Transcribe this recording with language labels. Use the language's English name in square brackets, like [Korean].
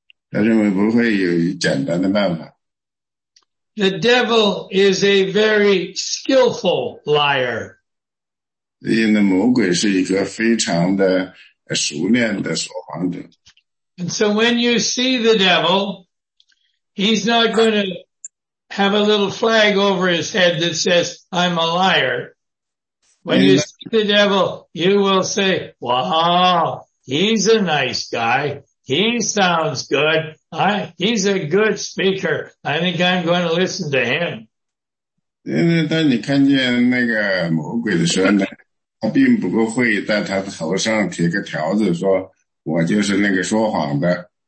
[Chinese] 他认为不会有简单的办法。 [English] The devil is a very skillful liar. [Chinese] 所以呢，魔鬼是一个非常的熟练的说谎者。 [English] And so when you see the devil, he's not going to have a little flag over his head that says, I'm a liar. When you see the devil, you will say, wow, he's a nice guy. He sounds good. He's a good speaker. I think I'm going to listen to him. [Chinese] 因为当你看见那个魔鬼的时候呢，他并不会在他的头上贴个条子说，我就是那个说谎的。